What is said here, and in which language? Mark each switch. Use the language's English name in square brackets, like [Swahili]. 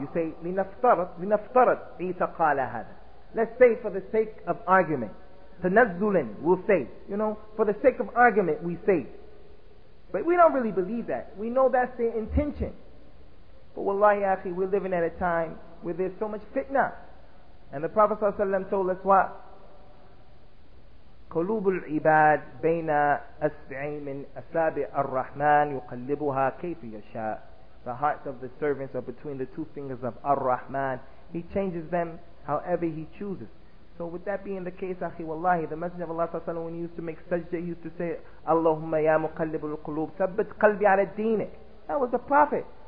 [English] You say, [Arabic] linaftarat, Isa qala hada. [English] Let's say for the sake of argument, tanazzulin, we'll say, you know, for the sake of argument, we say. But we don't really believe that. We know that's their intention. But wallahi, akhi, we're living at a time where there's so much fitna. And the Prophet ﷺ told us what? [Arabic] قلوب العباد بين أسبعين من أسابع الرحمن يقلبها كيف يشاء. [English] The hearts of the servants are between the two fingers of Ar-Rahman. He changes them however he chooses. So with that being the case, akhi, wallahi, the Messenger of Allah sallallahu alayhi wa sallam, when he used to make sajda, he used to say, [Arabic] Allahumma ya muqallibul qulub, thabbit qalbi ala deenik. [English] That was the Prophet.